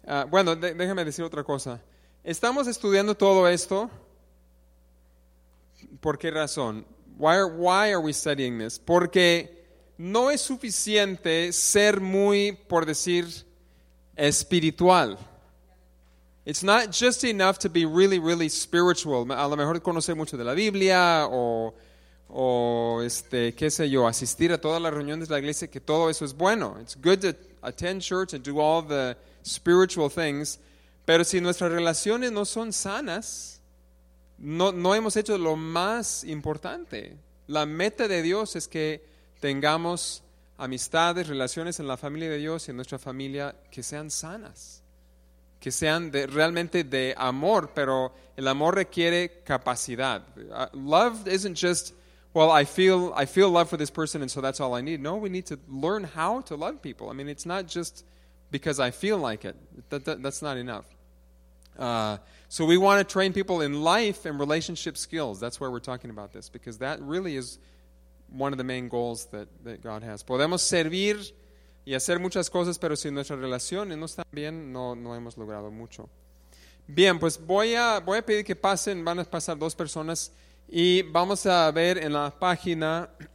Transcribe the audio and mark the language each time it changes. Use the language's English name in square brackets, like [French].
[Spanish] Bueno, déjame decir otra cosa. Estamos estudiando todo esto. ¿Por qué razón? [English] Why are we studying this? [Spanish] Porque no es suficiente ser muy, por decir, espiritual. [English] It's not just enough to be really, really spiritual. [Spanish] A lo mejor conocer mucho de la Biblia o qué sé yo, asistir a todas las reuniones de la iglesia, que todo eso es bueno. [English] It's good to attend church and do all the spiritual things. [Spanish] Pero si nuestras relaciones no son sanas, no hemos hecho lo más importante. La meta de Dios es que tengamos amistades, relaciones en la familia de Dios y en nuestra familia que sean sanas, que sean de, realmente de amor, pero el amor requiere capacidad. [English] Love isn't just, well, I feel love for this person and so that's all I need. No, we need to learn how to love people. I mean, it's not just because I feel like it. That's not enough. So we want to train people in life and relationship skills. That's why we're talking about this, because that really is one of the main goals that God has. [Spanish] Podemos servir y hacer muchas cosas, pero si nuestra relación no está bien, no hemos logrado mucho. Bien, pues voy a pedir que pasen, van a pasar dos personas, y vamos a ver en la página.